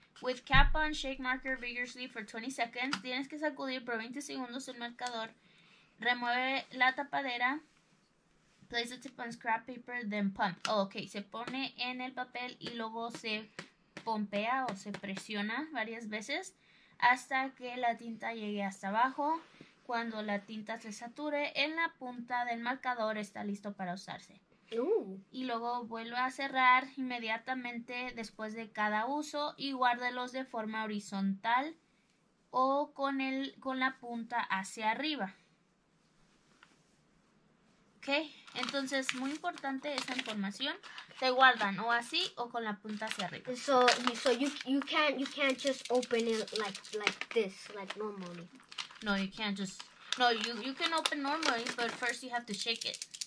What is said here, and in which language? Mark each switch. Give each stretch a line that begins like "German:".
English: With cap on, shake marker vigorously for 20 seconds.
Spanish: Tienes que sacudir por 20 segundos el marcador. Remueve la tapadera.
English: Place the tip on scrap paper, then pump.
Spanish: Oh, okay, se pone en el papel y luego se pompea o se presiona varias veces hasta que la tinta llegue hasta abajo. Cuando la tinta se sature, en la punta del marcador está listo para usarse. Y luego vuelve a cerrar inmediatamente después de cada uso y guárdelos de forma horizontal o con la punta hacia arriba. Ok, entonces muy importante esa información. Se guardan o así o con la punta hacia arriba.
English: So you can't just open it like this, like normally. No, you can't just... No, you can open normally, but first you have to shake it.